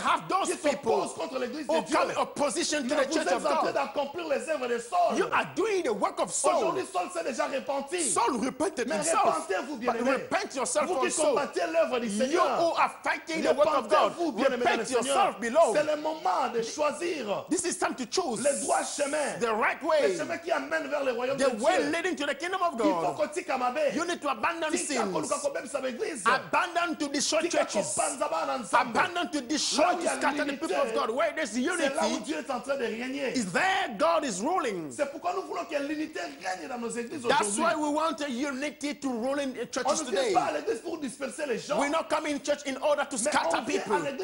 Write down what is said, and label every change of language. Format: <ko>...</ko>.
<en>have those people who come in opposition to the church of God. You are doing the work of Saul. Saul repented himself. Repent yourself also. You who are fighting the work of God, repent yourself below.</en> <fr>C'est le moment de choisir.</fr> <en>This is time to choose</en> <fr>le droit chemin.</fr> <en>The right way.</en> <fr>Le chemin qui amène vers le royaume de Dieu.</fr> <en>The way leading to the kingdom of God. You need to abandon sins. Abandon to destroy churches. Abandon to destroy to scatter the people of God. Where there's unity,</en> <fr>c'est là où Dieu est en train de régner.</fr> <en>Is there God is ruling.</en> <fr>C'est pourquoi nous voulons que l'unité règne dans nos églises.</fr> <en>That's why we want a unity to rule in churches today. We not come in church in order to scatter people.</en>